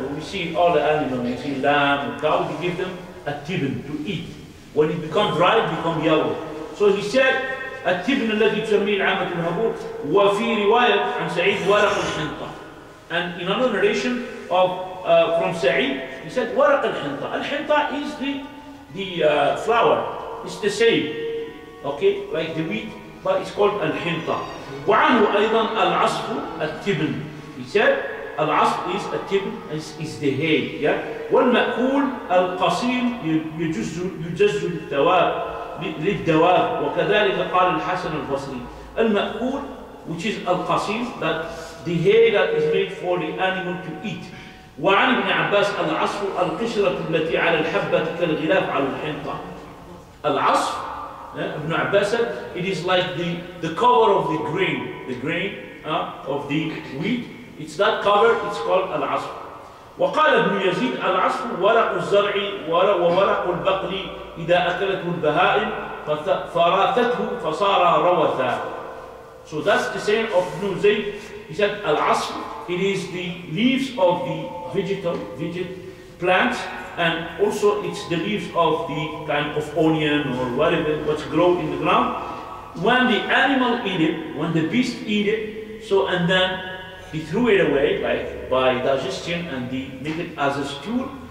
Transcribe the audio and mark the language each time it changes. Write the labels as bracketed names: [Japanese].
[English] When we see all the animals, we see lamb and cow. We give them a tibn to eat. When it becomes dry, it becomes yellow. So he said, a tibn [Arabic] الذي تسمي العامة الهبور وفي رواية عن سعيد ورق الحنطة. [English] And in another narration of from سعيد. He said, [Arabic] "Waraq al-hinta." [English] Al-hinta is the flower. It's the same, okay, like the wheat, but it's called al-hinta. [Arabic] وعنه أيضا العصف التبن. [English] He said, "Al-asf is a tibn. It's the hay." Yeah. [Arabic] والمأكول القصير يجز للدواب للدواب. وكذلك قال الحسن البصري. [English] المأكول, which is al-qasim, that the hay that is made for the animal to eat. [Arabic] وعن ابن عباس العصف القشرة التي على الحبة كالغلاف على الحنطة. [English] العصف, ابن عباس said, it is like the cover of the grain of the wheat. It's that cover, it's called العصف. [Arabic] وقال ابن يزيد العصف ورق الزرع وورق البقل إذا أكلته البهائم فراثته فصار روثا. [English] So that's the saying of ابن زيد. He said, العصف, it is the leaves of the vegetable plants, and also it's the leaves of the kind of onion or whatever what's grown in the ground. When the animal eat it, when the beast eat it, so and then he threw it away, like by digestion, and they make it as a stool.